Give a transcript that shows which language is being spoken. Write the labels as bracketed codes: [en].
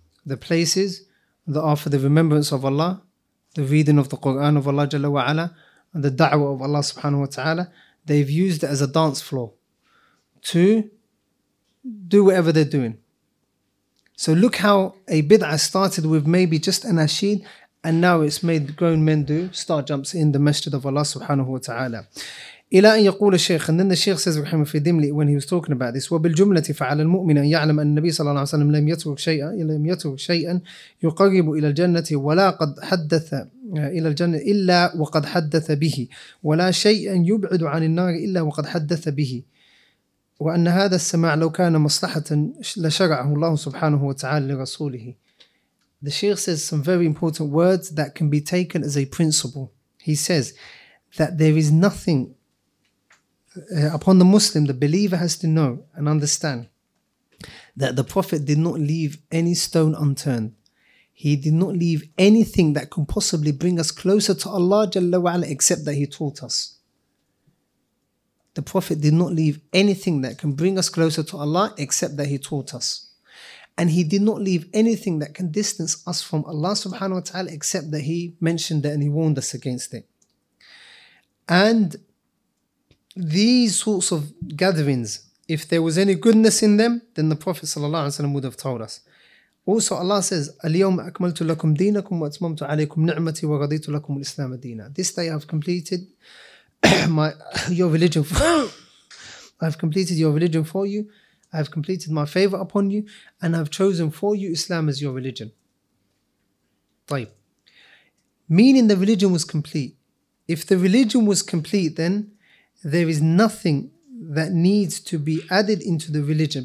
[en] The places that are for the remembrance of Allah, the reading of the Qur'an of Allah jalla wa ala, and the da'wa of Allah subhanahu wa ta'ala, they've used it as a dance floor to do whatever they're doing. So look how a bid'ah started with maybe just an ashid, And now it's made grown men do star jumps in the masjid of Allah subhanahu wa ta'ala. [ar] إلى أن يقول الشيخ [en] and then the Sheikh says [ar] رحمه في دملي [en] when he was talking about this [ar] وبالجملة فعلى المؤمن أن يعلم أن النبي صلى الله عليه وسلم لم يترك شيئا يقرب إلى الجنة ولا قد حدث إلى الجنة إلا وقد حدث به ولا شيئا يبعد عن النار إلا وقد حدث به وأن هذا السماع لو كان مصلحة لشرعه الله سبحانه وتعالى لرسوله [en] The Sheikh says some very important words that can be taken as a principle. He says that there is nothing upon the Muslim, the believer has to know and understand that the Prophet did not leave any stone unturned. He did not leave anything that can possibly bring us closer to Allah Jalla wa'ala except that he taught us. The Prophet did not leave anything that can bring us closer to Allah except that he taught us. And he did not leave anything that can distance us from Allah subhanahu wa ta'ala except that he mentioned it and he warned us against it. And these sorts of gatherings, if there was any goodness in them, then the Prophet sallallahu alaihi wasallam would have told us. Also Allah says, [ar] اليوم أكملت لكم دينكم وأتممت عليكم نعمتي ورضيت لكم الإسلام دينا. [en] This day I have completed your religion. I have completed your religion for you. I have completed my favor upon you and I have chosen for you Islam as your religion. [ar] طيب. [en] Meaning the religion was complete. If the religion was complete, then there is nothing that needs to be added into the religion.